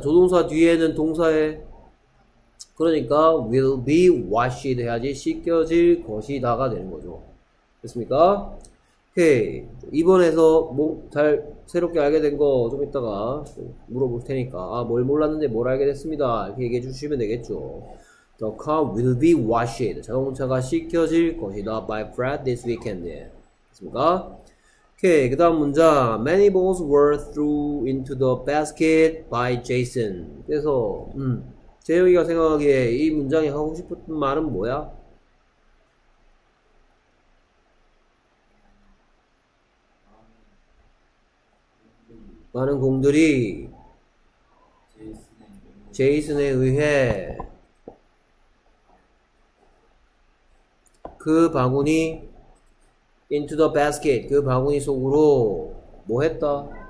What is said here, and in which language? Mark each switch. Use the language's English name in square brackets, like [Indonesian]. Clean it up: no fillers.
[Korean] 조동사 뒤에는 동사에 그러니까 will be washed 해야지 씻겨질 것이다가 되는 거죠. 됐습니까? 오케이. 이번에서 뭐잘 새롭게 알게 된거좀 이따가 물어볼 테니까, 아, 뭘 몰랐는데 뭘 알게 됐습니다. 이렇게 얘기해 주시면 되겠죠. [English] The car will be washed. [Korean] 자동차가 씻겨질 것이다. [English] By Fred this weekend. [Korean] 됐습니까? 오케이. 그 다음 문장. [English] Many balls were threw into the basket by Jason. [Korean] 그래서, 재영이가 생각하기에 이 문장이 하고 싶은 말은 뭐야? 많은 공들이 제이슨에 의해 그 바구니 [English] into the basket [Korean] 그 바구니 속으로 뭐 했다?